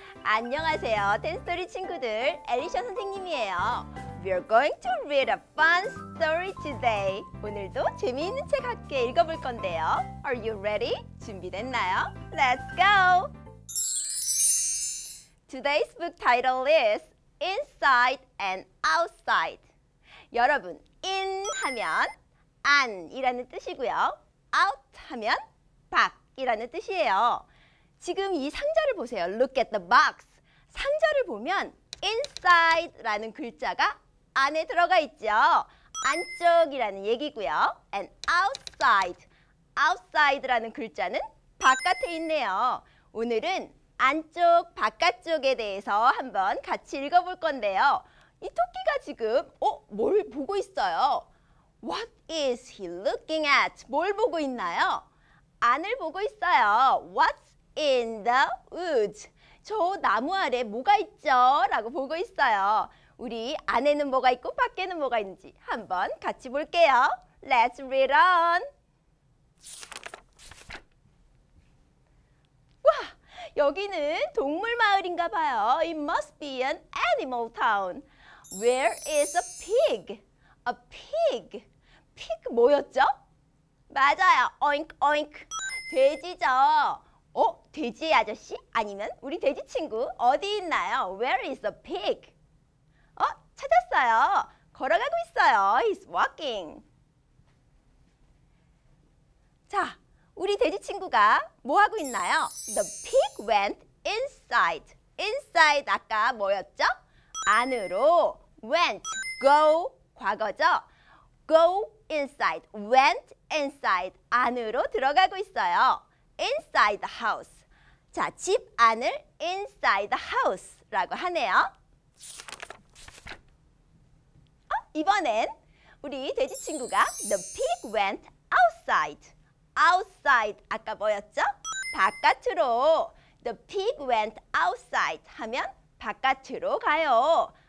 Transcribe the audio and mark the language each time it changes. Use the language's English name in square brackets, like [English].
[Korean] 안녕하세요, 텐스토리 친구들. 엘리샤 선생님이에요. [English] We are going to read a fun story today. [Korean] 오늘도 재미있는 책 함께 읽어볼 건데요. [English] Are you ready? [Korean] 준비됐나요? [English] Let's go! Today's book title is Inside and Outside. [Korean] 여러분, in 하면 안이라는 뜻이고요. out 하면 밖이라는 뜻이에요. 지금 이 상자를 보세요. [English] Look at the box. [Korean] 상자를 보면 inside라는 글자가 안에 들어가 있죠. 안쪽이라는 얘기고요. [English] And outside. [Korean] outside라는 글자는 바깥에 있네요. 오늘은 안쪽, 바깥쪽에 대해서 한번 같이 읽어볼 건데요. 이 토끼가 지금 뭘 보고 있어요? [English] What is he looking at? [Korean] 뭘 보고 있나요? 안을 보고 있어요. [English] What's in the woods? [Korean] 저 나무 아래 뭐가 있죠? 라고 보고 있어요. 우리 안에는 뭐가 있고 밖에는 뭐가 있는지 한번 같이 볼게요. [English] Let's read on. [Korean] 와, 여기는 동물 마을인가 봐요. [English] It must be an animal town. Where is a pig? A pig. Pig [Korean] 뭐였죠? 맞아요. [English] Oink oink. [Korean] 돼지죠. 돼지 아저씨? 아니면 우리 돼지 친구 어디 있나요? [English] Where is a pig? [Korean] 찾았어요. 걸어가고 있어요. [English] He's walking. [Korean] 자, 우리 돼지 친구가 뭐 하고 있나요? [English] The pig went inside. [Korean] Inside 아까 뭐였죠? 안으로 went, go, 과거죠? [English] Go inside, went inside. [Korean] 안으로 들어가고 있어요. [English] Inside the house. [Korean] 자, 집 안을 [English] inside the house [Korean] 라고 하네요. 이번엔 우리 돼지 친구가 [English] The pig went outside. [Korean] Outside 아까 뭐였죠? 바깥으로. [English] The pig went outside [Korean] 하면 바깥으로 가요.